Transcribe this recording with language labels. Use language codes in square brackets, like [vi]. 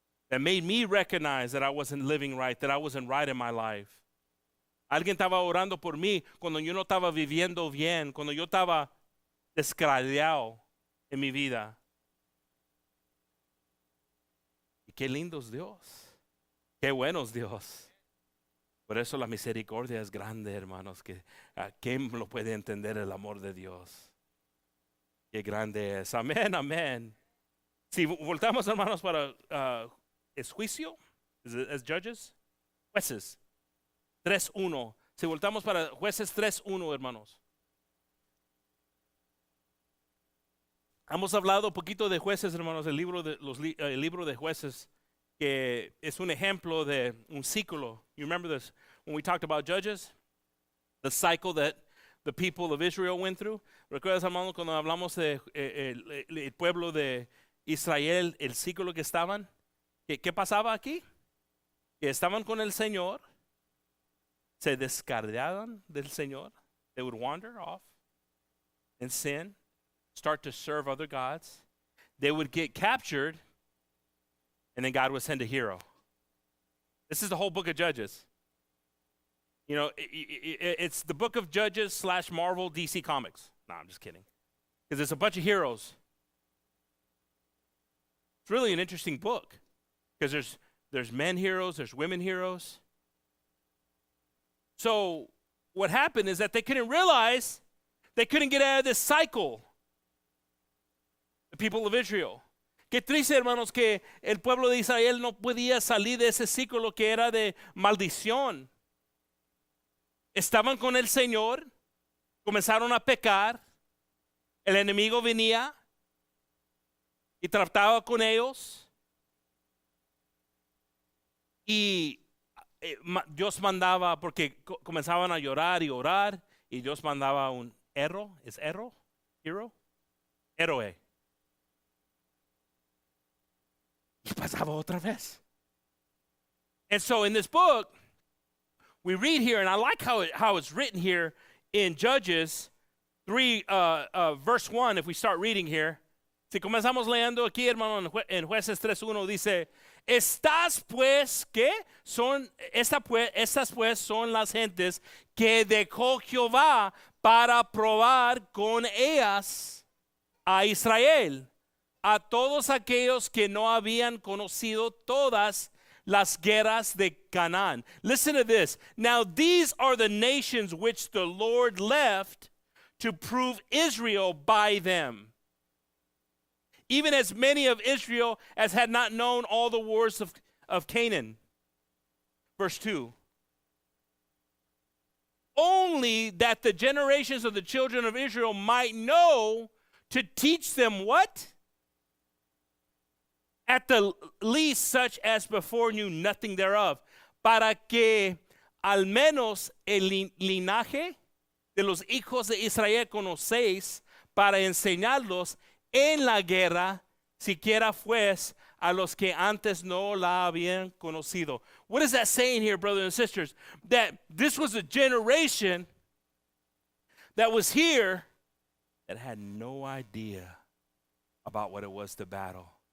[en] That made me recognize that I wasn't living right, that I wasn't right in my life. [es] Alguien estaba orando por mí cuando yo no estaba viviendo bien, cuando yo estaba descarriado en mi vida. Y qué lindo es Dios. Qué bueno es Dios. Por eso la misericordia es grande, hermanos. Que, ¿a quién lo puede entender el amor de Dios? Qué grande es. Amén, amén. Si voltamos, hermanos, para es juicio, es judges, jueces. 3:1. Si voltamos para jueces 3:1, hermanos. Hemos hablado un poquito de jueces, hermanos, el libro de jueces, que es un ejemplo de un ciclo. [en] You remember this? When we talked about judges, the cycle that the people of Israel went through. [es] ¿Recuerdas, hermanos, cuando hablamos de el pueblo de Israel, el ciclo que estaban? ¿Qué pasaba aquí? Que estaban con el Señor. Se descarriaron del Señor. [en] They would wander off in sin, start to serve other gods. They would get captured, and then God would send a hero. This is the whole book of Judges. You know, it's the book of Judges / Marvel DC Comics. No, I'm just kidding. Because it's a bunch of heroes. It's really an interesting book. Because there's men heroes, there's women heroes. So what happened is that they couldn't realize, they couldn't get out of this cycle, the people of Israel. [es] Qué triste, hermanos, que el pueblo de Israel no podía salir de ese ciclo que era de maldición. Estaban con el Señor, comenzaron a pecar, el enemigo venía y trataba con ellos, y Dios mandaba, porque comenzaban a llorar y orar, y Dios mandaba un héroe, ¿es héroe? ¿Hero? Héroe. Y pasaba otra vez. [en] And so in this book, we read here, and I like how it's written here in Judges 3, verse 1, if we start reading here. [es] Si comenzamos leyendo aquí, hermano, en Jueces 3:1 dice, estas pues, ¿qué? Estas pues son las gentes que dejó Jehová para probar con ellas a Israel, a todos aquellos que no habían conocido todas las guerras de Canaán. [en] Listen to this. Now these are the nations which the Lord left to prove Israel by them. Even as many of Israel as had not known all the wars of Canaan. Verse 2. Only that the generations of the children of Israel might know to teach them what? At the least such as before knew nothing thereof. [es] Para que al menos el linaje de los hijos de Israel conocéis para enseñarlos en la guerra, siquiera fuese a los que antes no la habían conocido. [en] What is that saying here, brothers and sisters? That this was a generation that was here that had no idea about what it was to battle.